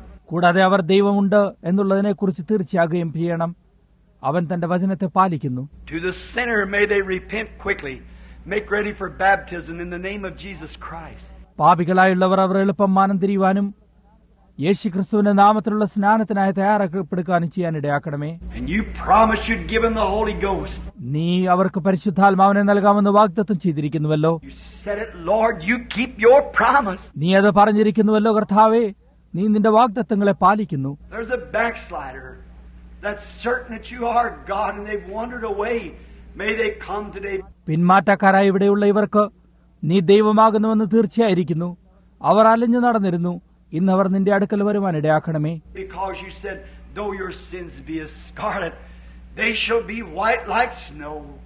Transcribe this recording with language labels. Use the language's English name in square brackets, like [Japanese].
[Malayalam] കൂടാതെ അവർ ദൈവമുണ്ട് എന്നുള്ളതിനെ കുറിച്ച് തീർച്ചയാകുകയും ചെയ്യണം. അവൻ തന്റെ വചനത്തെ പാലിക്കുന്നു. [English] To the sinner, may they repent quickly. Make ready for baptism in the name of Jesus Christ. [Malayalam] പാപികളായുള്ളവർ അവർ എളുപ്പം മാനം തിരിയുവാനും യേശു ക്രിസ്തുവിന്റെ നാമത്തിലുള്ള സ്നാനത്തിനായി തയ്യാറാക്കപ്പെടുക്കാനും ചെയ്യാനിടയാക്കണമേ. [English] And you promised you'd give them the Holy Ghost. [Malayalam] നീ അവർക്ക് പരിശുദ്ധാത്മാവിനെ നൽകാമെന്ന് വാഗ്ദത്തം ചെയ്തിരിക്കുന്നുവല്ലോ. [English] You said it, Lord. You keep your promise. [Malayalam] നീ അത് പറഞ്ഞിരിക്കുന്നുവല്ലോ കർത്താവേ. നീ നിന്റെ വാഗ്ദത്തങ്ങളെ പാലിക്കുന്നു. [English] There's a backslider. That's certain that you are God and they've wandered away. May they come today. [Malayalam] പിന്മാറ്റക്കാരായി ഇവിടെയുള്ള ഇവർക്ക് നീ ദൈവമാകുന്നുവെന്ന് തീർച്ചയായിരിക്കുന്നു. അവർ അലഞ്ഞു നടന്നിരുന്നു. ഇന്ന് അവർ നിന്റെ അടുക്കൽ വരുവാൻ ഇടയാക്കണമേ. [English] Because you said, though your sins be as scarlet, they shall be white like snow.